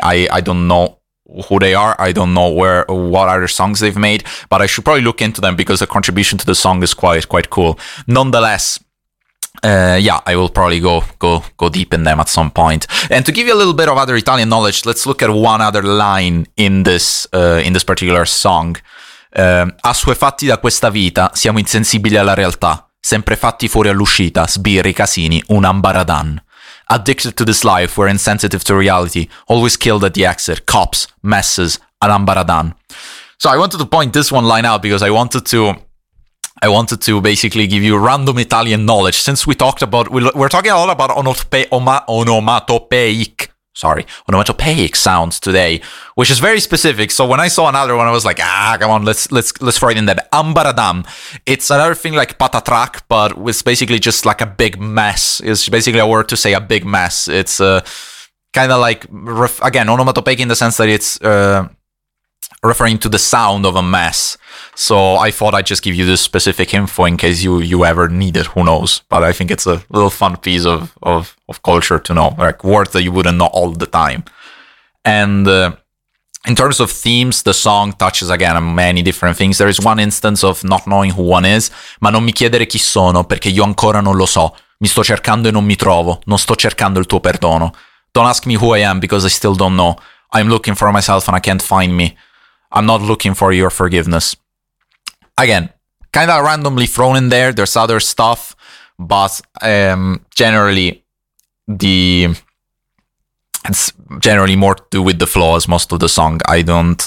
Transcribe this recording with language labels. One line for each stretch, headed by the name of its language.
English: I don't know who they are. I don't know what other songs they've made, but I should probably look into them because the contribution to the song is quite cool. Nonetheless, I will probably go deep in them at some point. And to give you a little bit of other Italian knowledge, let's look at one other line in this particular song.
Italian: Assuefatti da questa vita, siamo insensibili alla realtà. Sempre fatti fuori all'uscita, sbirri, casini, un ambaradan.
English: Addicted to this life, we're insensitive to reality. Always killed at the exit. Cops, messes, an ambaradan. So I wanted to point this one line out because I wanted to basically give you random Italian knowledge. Since we talked about, we're talking a lot about onomatopoeic sounds today, which is very specific. So when I saw another one, I was like, come on, let's throw it in there. Ambaradam. It's another thing like patatrac, but it's basically just like a big mess. It's basically a word to say a big mess. It's kind of like, again, onomatopoeic in the sense that it's referring to the sound of a mess. So I thought I'd just give you this specific info in case you ever need it, who knows. But I think it's a little fun piece of culture to know, like words that you wouldn't know all the time. And in terms of themes, the song touches again on many different things. There is one instance of not knowing who one is.
Italian: Ma non mi chiedere chi sono, perché io ancora non lo so. Mi sto cercando e non mi trovo. Non sto cercando il tuo perdono.
English: Don't ask me who I am, because I still don't know. I'm looking for myself and I can't find me. I'm not looking for your forgiveness. Again, kind of randomly thrown in there. There's other stuff, but generally, it's generally more to do with the flow as most of the song. I don't.